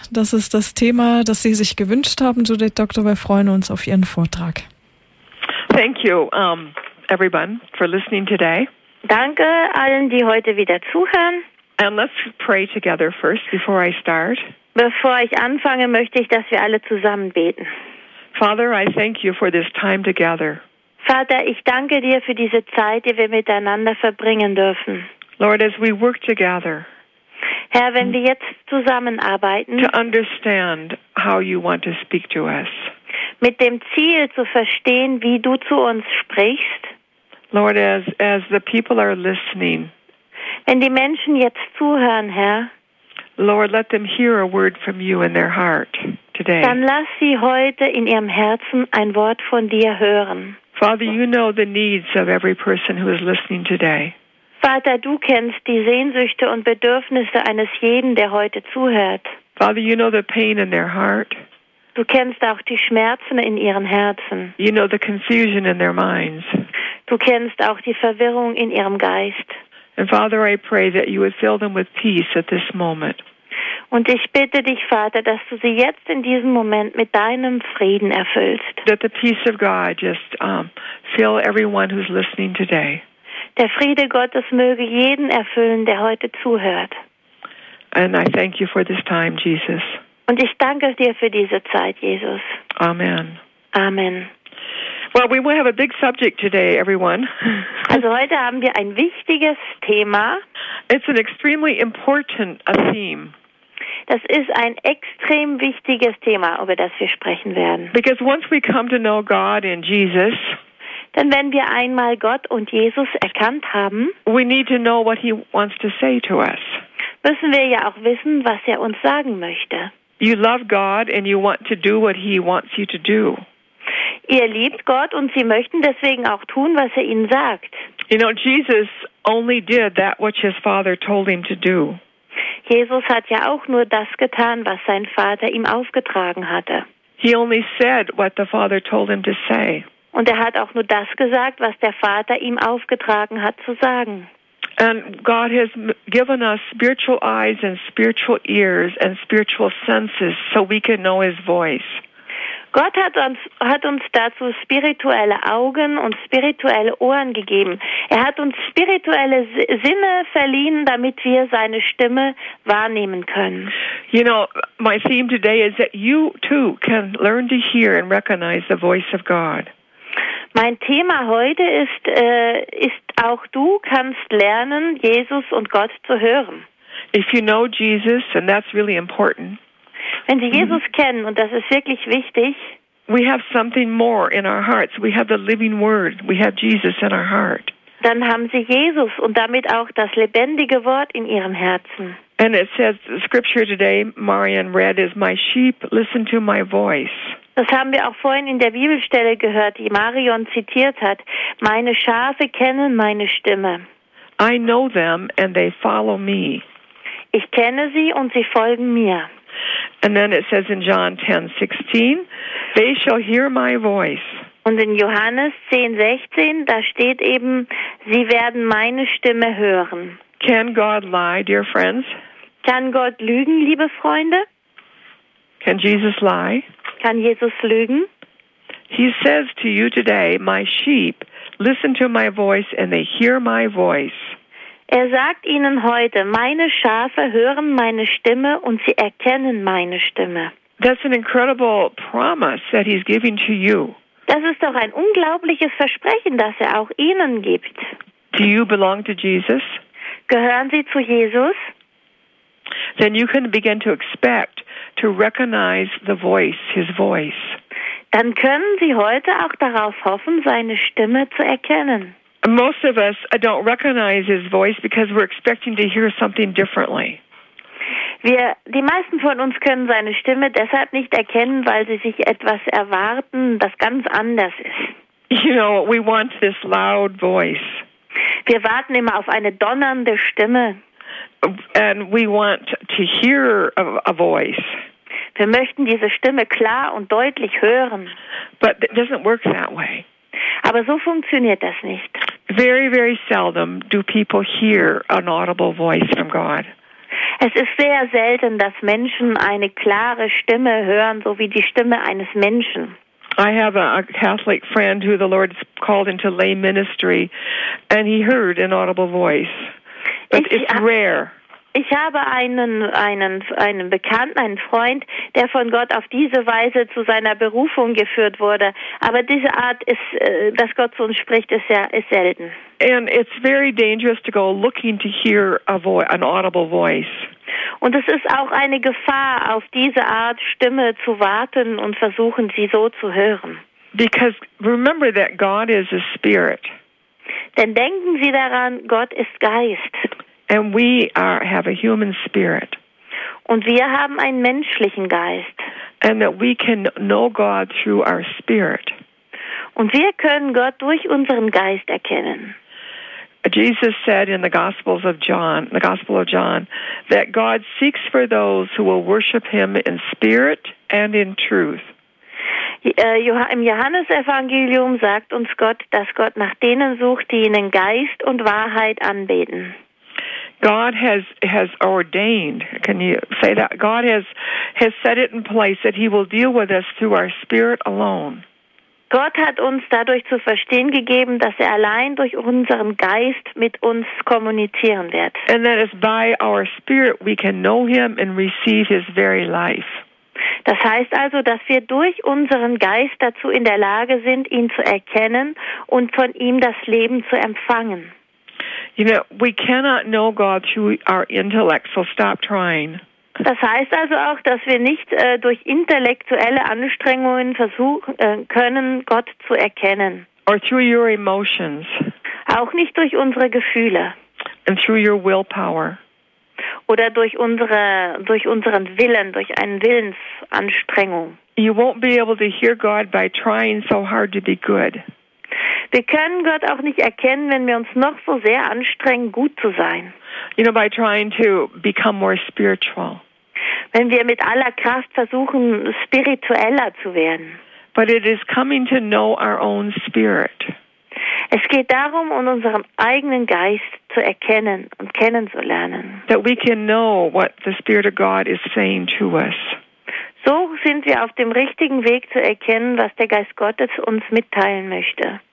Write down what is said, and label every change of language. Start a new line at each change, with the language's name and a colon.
German: Das ist das Thema, das Sie sich gewünscht haben, Judith Doctor. Wir freuen uns auf Ihren Vortrag.
English: Thank you, everyone, for listening today.
German: Danke allen, die heute wieder zuhören.
English: And let's pray together first, before I start.
German: Bevor ich anfange, möchte ich, dass wir alle zusammen beten.
English: Father, I thank you for this time together.
German: Vater, ich danke dir für diese Zeit, die wir miteinander verbringen dürfen.
English: Lord, as we work together,
German: Herr, wenn wir jetzt zusammenarbeiten,
English: to understand how you want to speak to us,
German: mit dem Ziel zu verstehen, wie du zu uns sprichst,
English: Lord, as the people are listening,
German: wenn die Menschen jetzt zuhören, Herr,
English: Lord, let them hear a word from you in their heart today.
German: Dann lass sie heute in ihrem Herzen ein Wort von dir hören.
English: Father, you know the needs of every person who is listening today.
German: Vater, du kennst die Sehnsüchte und Bedürfnisse eines jeden, der heute zuhört.
English: Father, you know the pain in their heart.
German: Du kennst auch die Schmerzen in ihren Herzen.
English: You know the confusion in their minds.
German: Du kennst auch die Verwirrung in ihrem Geist.
English: And Father, I pray that you would fill them with peace at this moment.
German: Und ich bitte dich, Vater, dass du sie jetzt in diesem Moment mit deinem Frieden erfüllst.
English: That the peace of God just fill everyone who's listening today.
German: Der Friede Gottes möge jeden erfüllen, der heute zuhört.
English: And I thank you for this time, Jesus.
German: Und ich danke dir für diese Zeit, Jesus.
English: Amen.
German: Amen.
English: Well, we will have a big subject today, everyone.
German: Also heute haben wir ein wichtiges Thema.
English: It's an extremely important theme.
German: Das ist ein extrem wichtiges Thema, über das wir sprechen werden.
English: Because once we come to know God and Jesus,
German: denn wenn wir einmal Gott und Jesus erkannt haben,
English: we need to know what he wants to say to us.
German: Müssen wir ja auch wissen, was er uns sagen möchte.
English: You love God and you want to do what he wants you to do.
German: Ihr liebt Gott und sie möchten deswegen auch tun, was er ihnen sagt.
English: You know, Jesus only did that which his father told him to do.
German: Jesus hat ja auch nur das getan, was sein Vater ihm aufgetragen hatte.
English: He only said what the father told him to say.
German: Und er hat auch nur das gesagt, was der Vater ihm aufgetragen hat zu sagen.
English: And God has given us spiritual eyes and spiritual ears and spiritual senses so we can know his voice.
German: Gott hat uns dazu spirituelle Augen und spirituelle Ohren gegeben. Er hat uns spirituelle Sinne verliehen, damit wir seine Stimme wahrnehmen können.
English: You know, my theme today is that you too can learn to hear and recognize the voice of God.
German: Mein Thema heute ist auch du kannst lernen, Jesus und Gott zu hören.
English: If you know Jesus, and that's really important.
German: Wenn Sie Jesus kennen, und das ist wirklich wichtig,
English: we have something more in our hearts. We have the living word. We have Jesus in our heart.
German: Dann haben Sie Jesus und damit auch das lebendige Wort in Ihrem Herzen.
English: And it says the scripture today, Marian read, is my sheep listen to my voice.
German: Das haben wir auch vorhin in der Bibelstelle gehört, die Marion zitiert hat. Meine Schafe kennen meine Stimme.
English: I know them and they follow me.
German: Ich kenne sie und sie folgen mir.
English: And then it says in John 10:16, they shall hear my voice.
German: Und in Johannes 10:16, da steht eben, sie werden meine Stimme hören.
English: Can God lie, dear friends?
German: Kann Gott lügen, liebe Freunde?
English: Can Jesus lie?
German: Kann Jesus lügen?
English: He says to you today, my sheep, listen to my voice and they hear my voice.
German: Er sagt ihnen heute, meine Schafe hören meine Stimme und sie erkennen meine Stimme.
English: That's an incredible promise that he's giving to you.
German: Das ist doch ein unglaubliches Versprechen, das er auch ihnen gibt.
English: Do you belong to Jesus?
German: Gehören sie zu Jesus?
English: Then you can begin to expect to recognize the voice, his voice.
German: Dann können sie heute auch darauf hoffen, seine Stimme zu erkennen.
English: Most of us don't recognize his voice because we're expecting to hear something differently.
German: Die meisten von uns können seine Stimme deshalb nicht erkennen, weil sie sich etwas erwarten, das ganz anders ist.
English: You know, we want this loud voice.
German: Wir warten immer auf eine donnernde Stimme.
English: And we want to hear a voice.
German: Wir möchten diese Stimme klar und deutlich hören.
English: But it doesn't work that way.
German: Aber so funktioniert das nicht.
English: Very, very seldom do people hear an audible voice from God.
German: Es ist sehr selten, dass Menschen eine klare Stimme hören, so wie die Stimme eines Menschen.
English: I have a Catholic friend who the Lord called into lay ministry, and he heard an audible voice. But it's rare.
German: Ich habe einen Bekannten, einen Freund, der von Gott auf diese Weise zu seiner Berufung geführt wurde. Aber diese Art, ist, dass Gott zu uns spricht, ist selten.
English: And it's very dangerous to go looking to hear an audible voice.
German: Und es ist auch eine Gefahr, auf diese Art Stimme zu warten und versuchen, sie so zu hören.
English: Because remember that God is a spirit.
German: Denn denken Sie daran, Gott ist Geist.
English: And we have a human spirit.
German: Und wir haben einen menschlichen Geist.
English: And that we can know God through our spirit.
German: Und wir können Gott durch unseren Geist erkennen.
English: Jesus said in the Gospel of John, that God seeks for those who will worship him in spirit and in truth.
German: Im Johannesevangelium sagt uns Gott, dass Gott nach denen sucht, die ihn in Geist und Wahrheit anbeten.
English: God has ordained, can you say that? God has set it in place that he will deal with us through our spirit alone.
German: Gott hat uns dadurch zu verstehen gegeben, dass er allein durch unseren Geist mit uns kommunizieren wird.
English: And that is by our spirit we can know him and receive his very life.
German: Das heißt also, dass wir durch unseren Geist dazu in der Lage sind, ihn zu erkennen und von ihm das Leben zu empfangen.
English: You know, we cannot know God through our intellect, so stop trying.
German: Das heißt also auch, dass wir nicht durch intellektuelle Anstrengungen versuchen können, Gott zu erkennen.
English: Or through your emotions.
German: Auch nicht durch unsere Gefühle.
English: And through your willpower.
German: Oder durch unseren Willen, durch eine Willensanstrengung.
English: You won't be able to hear God by trying so hard to be good.
German: Wir können Gott auch nicht erkennen, wenn wir uns noch so sehr anstrengen, gut zu sein.
English: You know, by trying to become more spiritual.
German: Wenn wir mit aller Kraft versuchen, spiritueller zu werden.
English: But it is coming to know our own spirit.
German: Es geht darum, unseren eigenen Geist zu erkennen und kennenzulernen.
English: That we can know what the Spirit of God is saying to us.
German: So sind wir auf dem richtigen Weg zu erkennen, was der Geist Gottes uns mitteilen möchte.